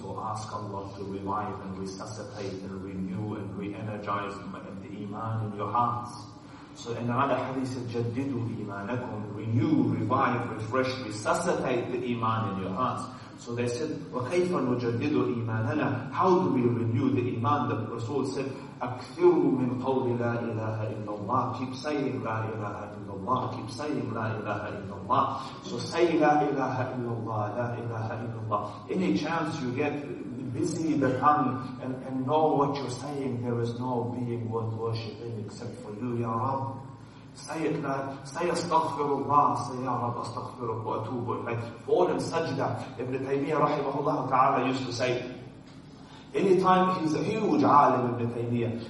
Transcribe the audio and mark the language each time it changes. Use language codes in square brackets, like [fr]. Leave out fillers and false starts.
[en] So ask Allah to revive and resuscitate and renew and re-energize the iman in your hearts. So in another hadith, [ar] جَدِّدُ إِيمَانَكُمْ. [en] Renew, revive, refresh, resuscitate the iman in your hearts. So they said, [ar] وَكَيْفَ نُجَدِّدُ إِيمَانَنَا. [en] How do we renew the iman? The Rasul said, [ar] أكثر من قول لا إله إلا الله. [en] Keep saying [ar] لا إله إلا الله. [en] Keep saying لا إله إلا الله. So say [ar] لا إله إلا الله. لا إله إلا الله. [en] Any chance you get, busy the tongue and know what you're saying. There is no being worth worshiping except for you, Ya Rab. Say it loud. Say astaghfirullah. Say [ar] Ya Rab astaghfiruk wa atubu ilayk. [en] Fall in sajda. Ibn Taymiyyah rahimahullah ta'ala used to say, anytime, he's a huge alim in Bithynia.